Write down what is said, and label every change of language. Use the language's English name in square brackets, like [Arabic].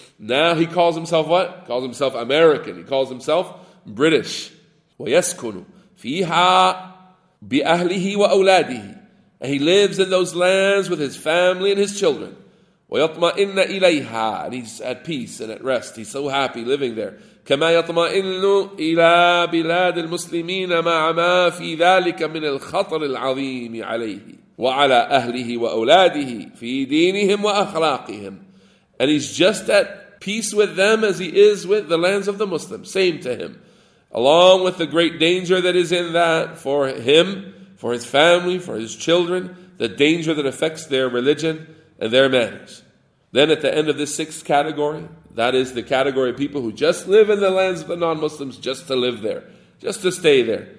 [English] Now he calls himself what? Calls himself American. He calls himself British. [Arabic] وَيَسْكُنُ فِيهَا بِأَهْلِهِ وَأَوْلَادِهِ [English] And he lives in those lands with his family and his children. [Arabic] وَيَطْمَئِنَّ إِلَيْهَا [English] And he's at peace and at rest. He's so happy living there. [Arabic] كَمَا يَطْمَئِنُّ إِلَى بِلَادِ الْمُسْلِمِينَ مَعَمَا فِي ذَلِكَ مِنَ الْخَطَرِ الْعَظِيمِ عَلَيْهِ وَعَلَىٰ أَهْلِهِ وَأَوْلَادِهِ فِي دِينِهِمْ وَأَخْلَاقِهِمْ [English] And he's just at peace with them as he is with the lands of the Muslims. Same to him. Along with the great danger that is in that for him, for his family, for his children, the danger that affects their religion and their manners. Then at the end of this sixth category, that is the category of people who just live in the lands of the non-Muslims, just to live there, just to stay there.